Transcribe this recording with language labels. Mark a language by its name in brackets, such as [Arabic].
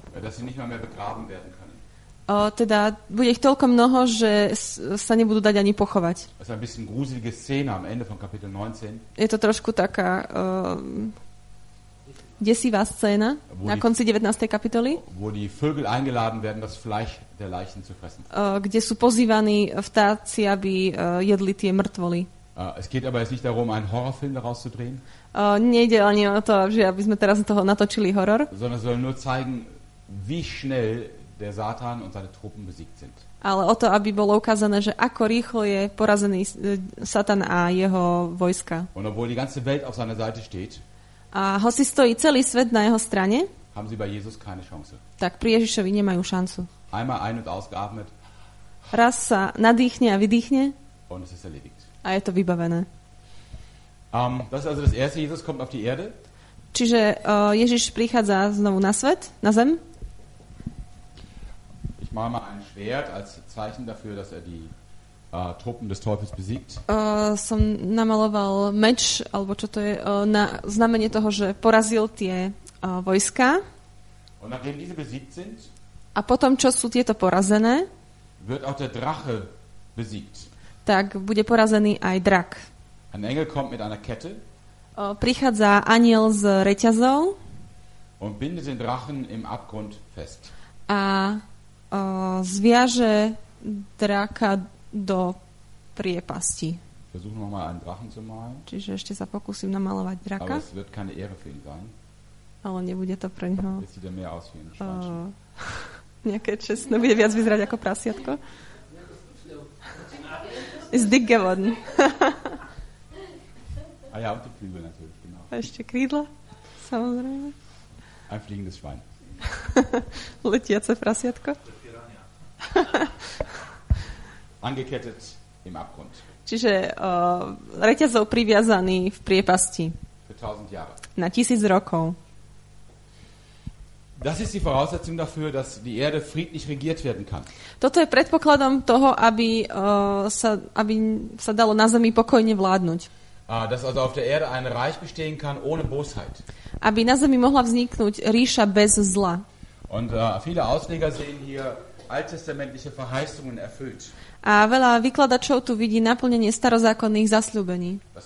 [German] Dass sie nicht mal mehr begraben werden können. [Slovak] Teda bude ich toľko mnoho, že sa nebudú dať ani pochovať. [German] Es ist ein bisschen gruselige Szene am Ende von Kapitel 19. [Slovak] Je to trošku taká desivá scéna na konci 19. kapitoly. [German] Wo die Vögel eingeladen werden, das Fleisch der Leichen zu fressen. [Slovak] Kde sú pozývaní vtáci, aby jedli tie mŕtvoly. [German] Es geht aber jetzt nicht darum, einen Horrorfilm daraus zu drehen. [Slovak] Nejde ani o to, že aby sme teraz toho natočili horor. [German] Sondern soll nur zeigen, wie schnell der Satan und seine Truppen besiegt sind. [Slovak] Ale o to, aby bolo ukázané, že ako rýchlo je porazený Satan a jeho vojska. [German] Und obwohl die ganze Welt auf seiner Seite steht, [Slovak] a hoci stojí celý svet na jeho strane, [German] haben sie bei Jesus keine Chance. [Slovak] Tak pri Ježišovi nemajú šancu. [German] Einmal ein- und ausgeatmet. [Slovak] Raz sa nadýchne a vydýchne. [German] Und es ist erledigt. [Slovak] A je to vybavené. [German] Das ist also das erste, Jesus kommt auf die Erde. [Slovak] Čiže Ježiš prichádza znovu na svet, na zem. [German] Ich mache mal ein Schwert als Zeichen dafür, dass er die Truppen des Teufels besiegt. [Slovak] Som namaloval meč, alebo čo to je, na znamenie toho, že porazil tie vojska. [German] Und nachdem diese besiegt sind, [Slovak] a potom, čo sú tieto porazené, [German] wird auch der Drache besiegt. [Slovak] Tak bude porazený aj drak. [German] Ein Engel kommt mit einer Kette. [Slovak] Prichádza anjel s reťazou. [German] Und bindet den Drachen im Abgrund fest. [Slovak] A zviaže draka do priepasti. [German] Versuchen wir mal einen Drachen zu malen. [Slovak] Čiže ešte sa pokúsim namalovať draka. [German] Aber es wird keine Ehre für ihn sein. [Slovak] Ale nebude to pre neho. [German] Es sieht mehr aus wie ein Schwanchen. [Slovak] Nejaké čestné, bude viac vyzerať ako prasiatko. [German] Ist dick geworden. Ah ja, und die Flügel natürlich, genau. [Slovak] Ešte krídla, samozrejme. [German] Ein fliegendes Schwein. [Slovak] Letiace prasiatko. [German] Angekettet im Abgrund. [Slovak] Čiže reťazov priviazaný v priepasti. [German] Für 1000 Jahre. [Slovak] Na 1000 rokov. [German] Das ist die Voraussetzung dafür, dass die Erde friedlich regiert werden kann. [Slovak] Toto je predpokladom toho, aby sa dalo na zemi pokojne vládnuť. [German] Dass also auf der Erde ein Reich bestehen kann ohne Bosheit. [Slovak] Aby na zemi mohla vzniknúť ríša bez zla. [German] Und viele Ausleger sehen hier alttestamentliche Verheißungen erfüllt. [Slovak] A veľa vykladačov tu vidí naplnenie starozákonných zasľúbení.